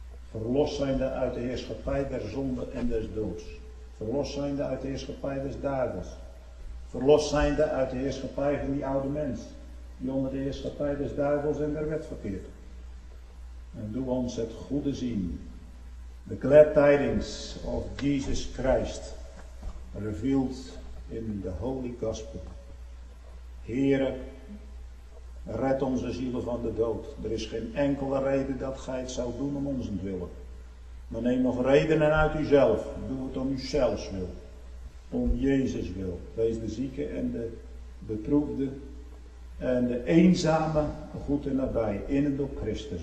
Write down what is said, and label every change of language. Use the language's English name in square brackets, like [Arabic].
[Dutch] Verlos zijnde uit de heerschappij der zonde en des doods. Verlos zijnde uit de heerschappij des duivels. verlost zijnde uit de heerschappij van die oude mens, die onder de heerschappij des duivels en der wet verkeert. En doe ons het goede zien. [English] The glad tidings of Jesus Christ, revealed in the Holy Gospel. [Dutch] Heere, red onze zielen van de dood. Er is geen enkele reden dat gij het zou doen om ons wil. Maar neem nog redenen uit uzelf. Doe het om uzelf wil. Om Jezus wil. Wees de zieke en de beproefde en de eenzame goed en nabij. In en door Christus.